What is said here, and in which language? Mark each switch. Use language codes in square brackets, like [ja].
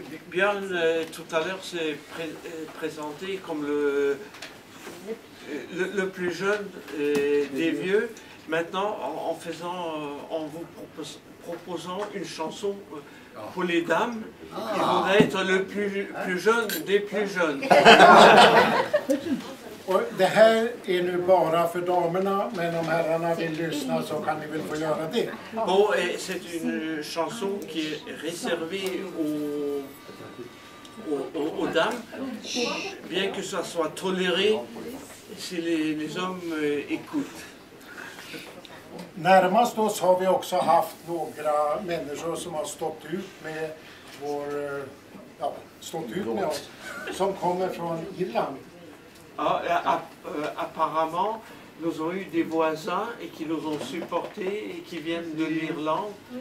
[fr] Björn tout à l'heure s'est présenté comme le le plus jeune des vieux. Maintenant, en vous proposant une chanson pour les dames, il voudrait être le plus jeune des plus jeunes. [sv] Och det här är nu bara för damerna, men om herrarna vill lyssna så kan ni väl få göra det. [fr] Bon, et c'est une chanson qui est réservée aux dames, bien que ça soit toléré si les hommes écoutent. [sv] Närmast oss har vi också haft några människor som har stått ut med vår stått ut med oss, som kommer från Irland. [fr] Apparemment, nous avons eu des voisins et qui nous ont supportés et qui viennent de l'Irlande.